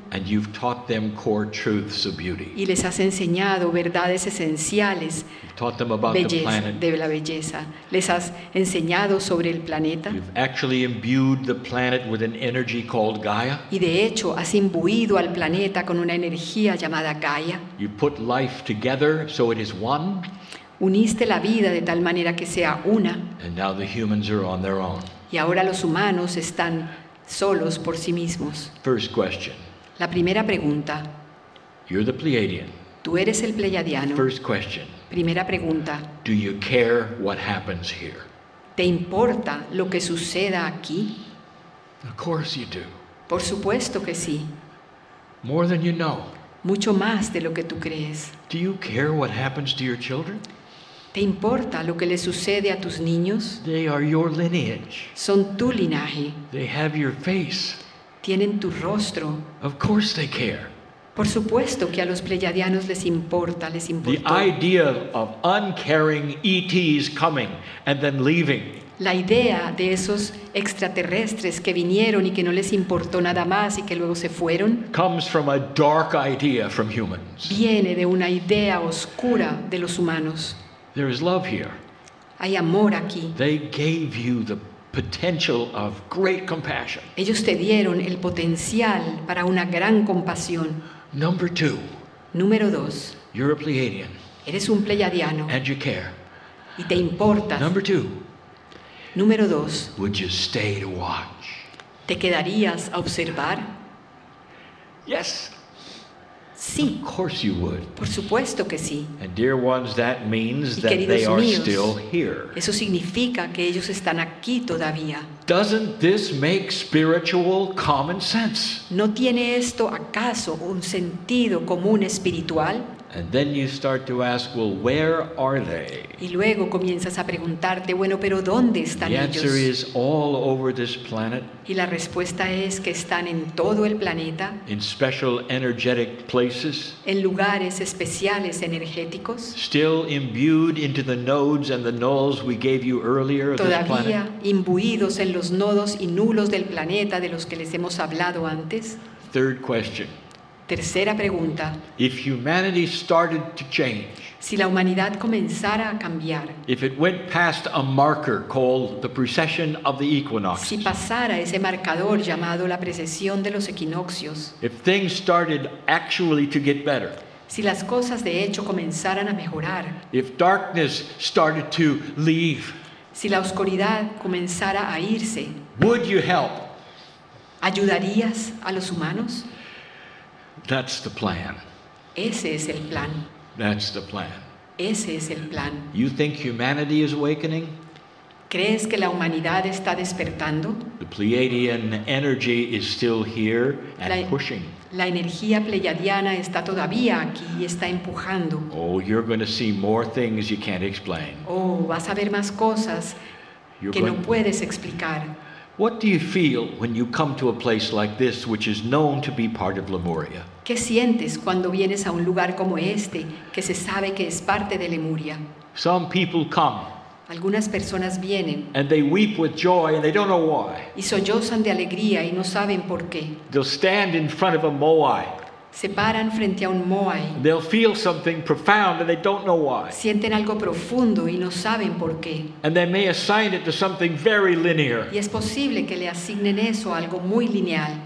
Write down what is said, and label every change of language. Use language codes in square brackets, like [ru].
[en] And you've taught them core truths of beauty. [es] Y les has enseñado verdades esenciales. [en] You've taught them about [es] belleza, [en] the planet. [es] De la belleza. Les has enseñado sobre el planeta. [en] You've actually imbued the planet with an energy called Gaia. [es] Y de hecho has imbuido al planeta con una energía llamada Gaia. [en] You put life together so it is one. [es] Uniste la vida de tal manera que sea una. [en] And now the humans are on their own. [es] Y ahora los humanos están solos por sí mismos. [en] First question. [es] La primera pregunta. [en] You're the Pleiadian. [es] Tú eres el pleiadiano. [en] First question. [es] Primera pregunta. [en] Do you care what happens here? [es] ¿Te importa lo que suceda aquí? [en] Of course you do. [es] Por supuesto que sí. [en] More than you know. [es] Mucho más de lo que tú crees. [en] Do you care what happens to your children? [es] ¿Te importa lo que le sucede a tus niños? [en] They are your lineage. [es] Son tu linaje. [en] They have your face. [es] Tienen tu rostro. [en] Of course they care. [es] Por supuesto que a los pleiadianos les importa, les importó. [en] The idea of uncaring ETs coming and then leaving. [es] La idea de esos extraterrestres que vinieron y que no les importó nada más y que luego se fueron [en] comes from a dark idea from humans. [es] Viene de una idea oscura de los humanos. [en] There is love here. [es] Hay amor aquí. [en] They gave you the potential of great compassion. [es] Ellos te dieron el potencial para una gran compasión. [en] Number two. [es] Número dos. [en] You're a Pleiadian. [es] Eres un pleiadiano. [en] And you care. [es] Y te importas. [en] Number two. [es] Número dos. [en] Would you stay to watch? [es] ¿Te quedarías a observar? [en] Yes. [es] Sí. [en] Of course you would. [es] Por supuesto que sí. [en] And dear ones, that means [es] y [en] that they [es] míos, [en] are still here. [es] Eso significa que ellos están aquí todavía. [en] Doesn't this make spiritual common sense? [es] ¿No tiene esto acaso un sentido común espiritual? [en] And then you start to ask, well, where are they? [es] Y luego comienzas a preguntarte, bueno, pero ¿dónde están ellos? [en] The answer is all over this planet. [es] Y la respuesta es que están en todo el planeta. [en] In special energetic places. [es] En lugares especiales energéticos. [en] Still imbued into the nodes and the nulls we gave you earlier of this planet. [es] Todavía imbuidos en los nodos y nulos del planeta de los que les hemos hablado antes. [en] Third question. [es] Tercera pregunta. [en] If humanity started to change, [es] si la humanidad comenzara a cambiar, [en] if it went past a marker called the precession of the equinox, [es] si pasara ese marcador llamado la precesión de los equinoccios, [en] if things started actually to get better, [es] si las cosas de hecho comenzaran a mejorar, [en] if darkness started to leave, [es] si la oscuridad comenzara a irse, [en] would you help? [es] ¿Ayudarías a los humanos? [en] That's the plan. [es] Ese es el plan. [en] That's the plan. [es] Ese es el plan. [en] You think humanity is awakening? [es] ¿Crees que la humanidad está despertando? [en] The Pleiadian energy is still here and pushing. [es] La energía pleiadiana está todavía aquí y está empujando. [en] Oh, you're going to see more things you can't explain. [es] Oh, vas a ver más cosas que no puedes explicar. [en] What do you feel when you come to a place like this, which is known to be part of Lemuria? [es] ¿Qué sientes cuando vienes a un lugar como este, que se sabe que es parte de Lemuria? [en] Some people come. [es] Algunas personas vienen. [en] And they weep with joy, and they don't know why. [es] Y sollozan de alegría y no saben por qué. [en] They'll stand in front of a moai. [es] Se paran frente a un moai. [en] They'll feel something profound and they don't know why. [es] Sienten algo profundo y no saben por qué. [en] And they may assign it to something very linear. [es] Y es posible que le asignen eso a algo muy lineal.